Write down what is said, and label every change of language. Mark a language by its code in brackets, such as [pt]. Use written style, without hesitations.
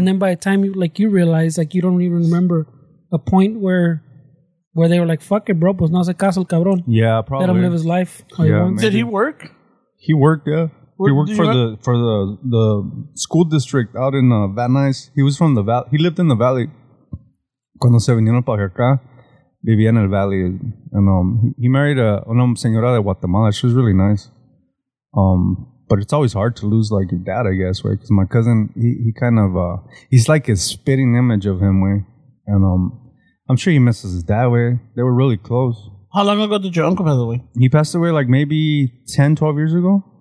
[en] And then by the time, you realize, like, you don't even remember a point where they were like, fuck it, bro, [es] pues no hace caso el cabrón. [en] Yeah, probably. Let him live his life. Did he work? He worked, yeah. He worked for the school district out in Van Nuys. He was from the valley. He lived in the valley. [es] Cuando se vinieron para acá, vivía en el valley. [en] And he married a [es] señora de Guatemala. [en] She was really nice. But it's always hard to lose, like, your dad, I guess, right? Because my cousin, he kind of, he's like a spitting image of him, way. Right? And I'm sure he misses his dad, way. Right? They were really close. How long ago did your uncle pass away? He passed away, like, maybe 10, 12 years ago.